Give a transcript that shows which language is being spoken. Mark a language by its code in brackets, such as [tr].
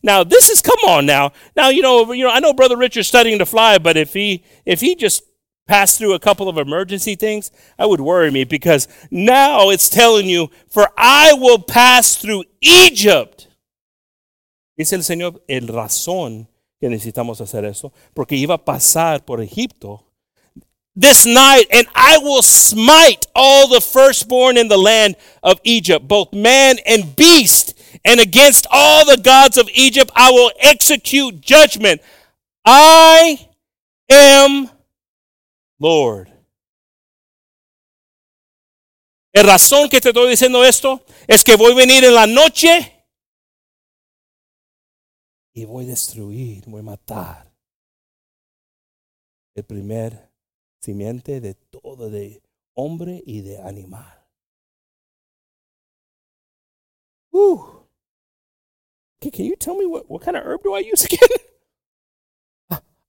[en] Now this is, come on now. Now, you know, I know Brother Richard's studying to fly, but if he just pass through a couple of emergency things, I would worry me, because now it's telling you, for I will pass through Egypt. [es] Dice el Señor, el razón que necesitamos hacer eso, porque iba a pasar por Egipto. [en] This night, and I will smite all the firstborn in the land of Egypt, both man and beast, and against all the gods of Egypt, I will execute judgment. I am Lord. [es] El razón que te estoy diciendo esto es que voy a venir en la noche y voy a destruir, voy a matar el primer simiente de todo, de hombre y de animal. [en] Can you tell me what kind of herb do I use again?